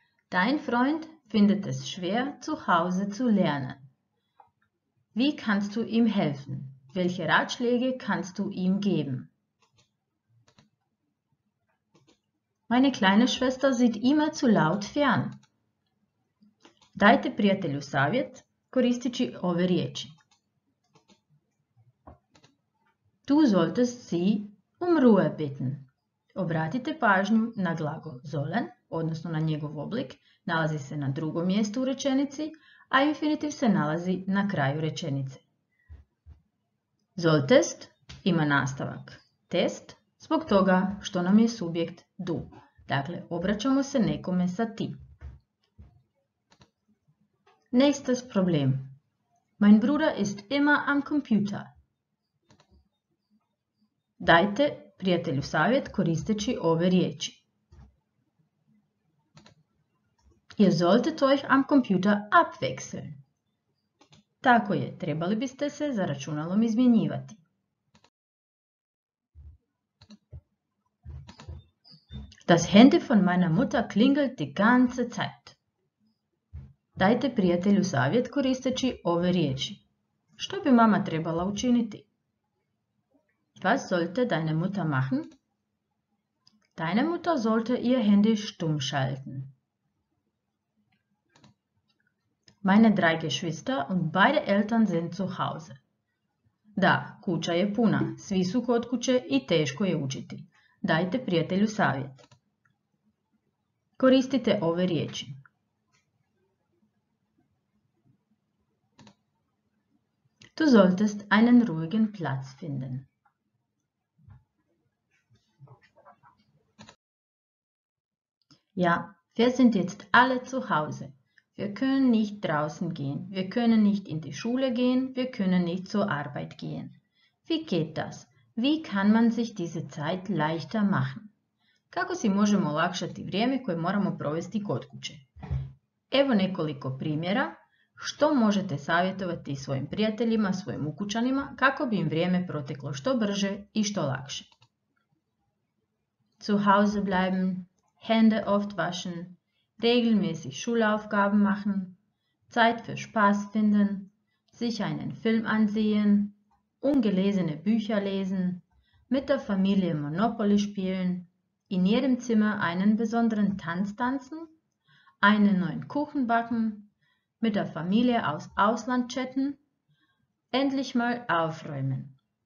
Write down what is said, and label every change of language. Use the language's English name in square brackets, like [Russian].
[German] Dein Freund findet es schwer, zu Hause zu lernen. Wie kannst du ihm helfen? Welche Ratschläge kannst du ihm geben? Meine kleine Schwester sieht immer zu laut fern. [Croatian] Dajte prijatelju savjet, koristeći ove riječi. [German] Du solltest sie um Ruhe bitten. [Croatian] Obratite pažnju na glagol sollen, odnosno na njegov oblik, nalazi se na drugom mjestu u rečenici, a infinitiv se nalazi na kraju rečenice. Solltest ima nastavak test zbog toga što nam je subjekt du. Dakle, obraćamo se nekome sa ti. [German] Nächstes Problem. Mein Bruder ist immer am Computer. [Croatian] Dajte prijatelju savjet koristeći ove riječi. [German] Ihr solltet euch am Computer abwechseln. [Croatian] Tako je, trebali biste se za računalom izmjenjivati. [German] Das Handy von meiner Mutter klingelt die ganze Zeit. [Croatian] Dajte prijatelju savjet koristeći ove riječi. Što bi mama trebala učiniti? [German] Was sollte deine Mutter machen? Deine Mutter sollte ihr Handy stumm schalten. Meine drei Geschwister und beide Eltern sind zu Hause. [Croatian] Da, kuća je puna, svi su kod kuće i teško je učiti. Dajte prijatelju savjet. Koristite ove riječi. [German] Du solltest einen ruhigen Platz finden. Ja, wir sind jetzt alle zu Hause. Wir können nicht draußen gehen. Wir können nicht in die Schule gehen. Wir können nicht zur Arbeit gehen. Wie geht das? Wie kann man sich diese Zeit leichter machen? [Croatian] Kako si možemo olakšati vrijeme koje moramo provesti kod kuće? Evo nekoliko primjera što možete savjetovati svojim prijateljima, svojim ukućanima kako bi im vrijeme proteklo što brže i što lakše. [German] Zu Hause bleiben, Hände oft waschen, regelmäßig Schulaufgaben machen, Zeit für Spaß finden, sich einen Film ansehen, ungelesene Bücher lesen, mit der Familie Monopoly spielen, in jedem Zimmer einen besonderen Tanz tanzen, einen neuen Kuchen backen, mit der Familie aus Ausland chatten, endlich mal aufräumen.